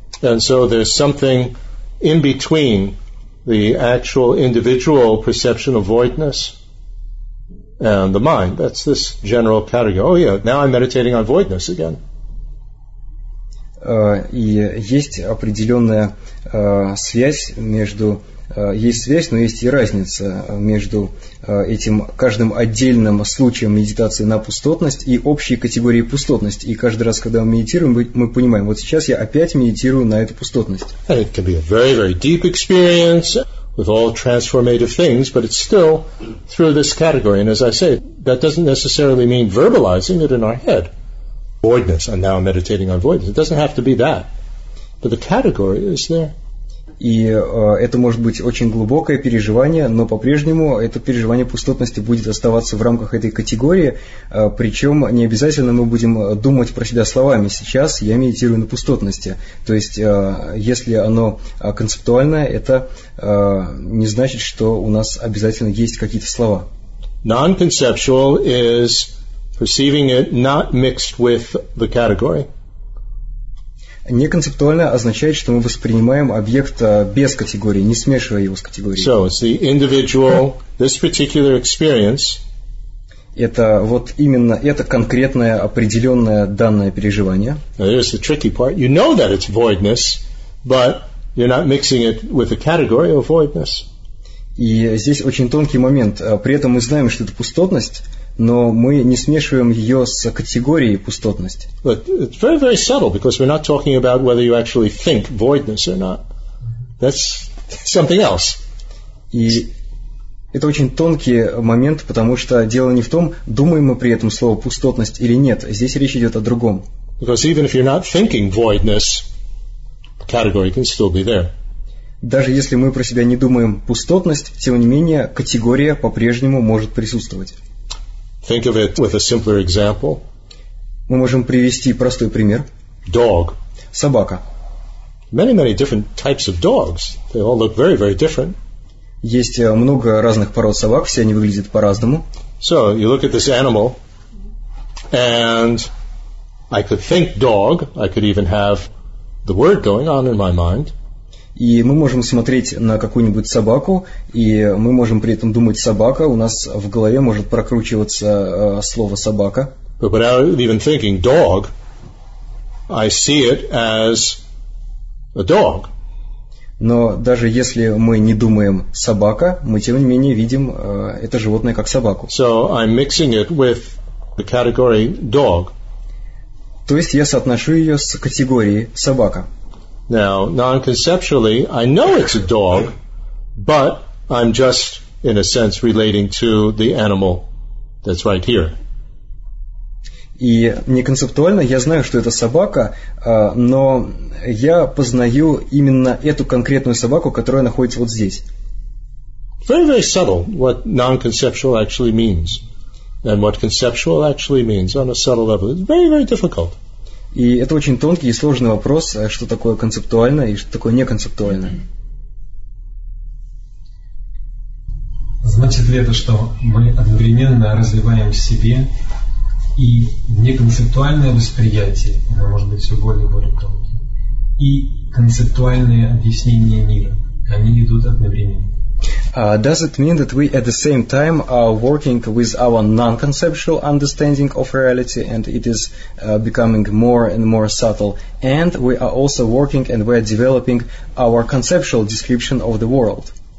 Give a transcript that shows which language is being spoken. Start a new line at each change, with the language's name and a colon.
English: And so there's something in between the actual individual perception of voidness and the mind. That's this general category. Oh yeah, now I'm meditating on voidness again.
Russian: И есть определенная связь между есть связь, но есть и разница между этим каждым отдельным случаем медитации на пустотность и общей категорией пустотности. И каждый раз, когда мы медитируем, мы понимаем, вот сейчас я опять медитирую на эту пустотность.
English: And it can be a very, very deep experience with all transformative things, but it's still through this category. And as I say, that doesn't necessarily mean verbalizing it in our head. Voidness, and now I'm meditating on voidness. It doesn't have to be that. But the category is there.
Russian: И это может быть очень глубокое переживание, но по-прежнему это переживание пустотности будет оставаться в рамках этой категории, причем не обязательно мы будем думать про себя словами. Сейчас я медитирую на пустотности. То есть, если оно концептуальное, это не значит, что у нас обязательно есть какие-то слова.
English: Non-conceptual is perceiving it not mixed with the category.
Russian: Неконцептуально означает, что мы воспринимаем объект без категории, не смешивая его с категорией.
English: So it's the individual, this particular experience.
Russian: Это вот именно это конкретное определенное данное переживание.
English: Now here's the tricky part. You know that it's voidness, but you're not mixing it with the category of voidness.
Russian: И здесь очень тонкий момент. При этом мы знаем, что это пустотность, но мы не смешиваем ее с категорией пустотность.
English: But it's very, very subtle, because we're not talking about whether you actually think voidness or not. That's something else.
Russian: И это очень тонкий момент, потому что дело не в том, думаем мы при этом слово пустотность или нет. Здесь речь идет о другом.
English: Because even if you're not thinking voidness, the category can still be there.
Russian: Даже если мы про себя не думаем пустотность, тем не менее, категория по-прежнему может присутствовать.
English: Think of it with a simpler example.
Russian: Мы можем привести простой пример.
English: Dog.
Russian: Собака.
English: Many, many different types of dogs. They all look very, very different.
Russian: Есть много разных пород собак, все они выглядят по-разному.
English: So, you look at this animal, and I could think dog, I could even have the word going on in my mind.
Russian: И мы можем смотреть на какую-нибудь собаку, и мы можем при этом думать собака, у нас в голове может прокручиваться слово собака.
English: But without even thinking dog, I see it as a dog.
Russian: Но даже если мы не думаем собака, мы тем не менее видим это животное как собаку.
English: So I'm mixing it with the category dog.
Russian: То есть я соотношу ее с категорией собака.
English: Now, non-conceptually, I know it's a dog, but I'm just, in a sense, relating to the animal that's right here.
Russian: И неконцептуально я знаю, что это собака, но я познаю именно эту конкретную собаку, которая находится вот здесь.
English: Very, very subtle what non-conceptual actually means and what conceptual actually means on a subtle level. It's very, very difficult.
Russian: И это очень тонкий и сложный вопрос, что такое концептуально и что такое неконцептуально. Значит ли это, что мы одновременно развиваем в себе и неконцептуальное восприятие, оно может быть все более и более тонким, и концептуальное объяснение мира, они идут одновременно?
English: Does it mean that we at the same time are working with our non-conceptual understanding of reality and it is becoming more and more subtle, and we are also working and we are developing our conceptual description of the world?